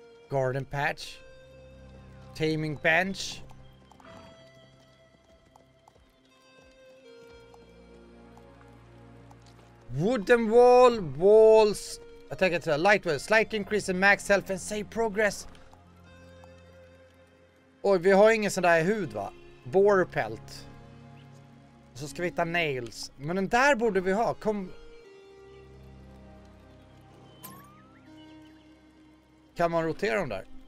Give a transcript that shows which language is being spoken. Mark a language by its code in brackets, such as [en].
[en] Garden patch. Taming bench. Wooden wall, walls. [sv] Jag tänker till lightwell. [en] Slight increase in max health and save progress. [sv] Oj, vi har ingen sån där hud, va? [en] Boar pelt. [sv] Så ska vi hitta nails. Men den där borde vi ha. Kom. Kan man rotera dem där?